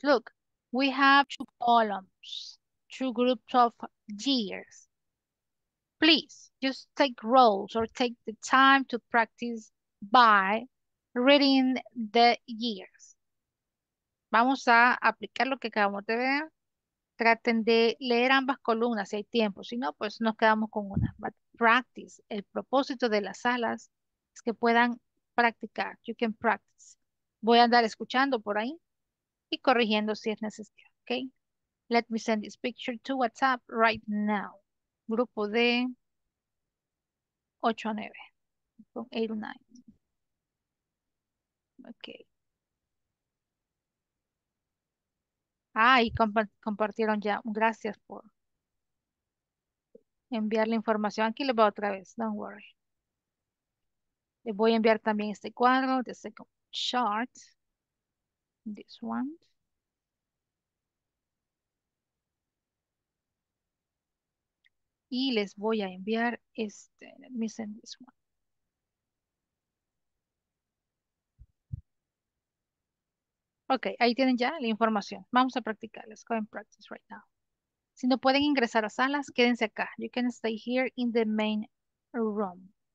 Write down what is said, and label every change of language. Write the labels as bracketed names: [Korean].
[English] Look, we have two columns, two groups of years. Please, just take roles or take the time to practice by reading the years. [Spanish] Vamos a aplicar lo que acabamos de ver. Traten de leer ambas columnas si hay tiempo. Si no, pues nos quedamos con una. [English] But practice. [Spanish] El propósito de las salas es que puedan practicar. [English] You can practice. [Spanish] Voy a andar escuchando por ahí y corrigiendo si es necesario. [English] Okay? Let me send this picture to WhatsApp right now. [Spanish] Grupo de 8 a 9. 8 a 9. Ok. Ah, y compartieron ya. Gracias por enviar la información. Aquí les voy otra vez. [English] Don't worry. [Spanish] Les voy a enviar también este cuadro. [English] The second chart. This one. [Spanish] y les voy a enviar este, [English] let me send this one. [Spanish] Ok, ahí tienen ya la información. Vamos a practicar. [English] Let's go and practice right now. [Spanish] Si no pueden ingresar a salas, quédense acá. [English] You can stay here in the main room.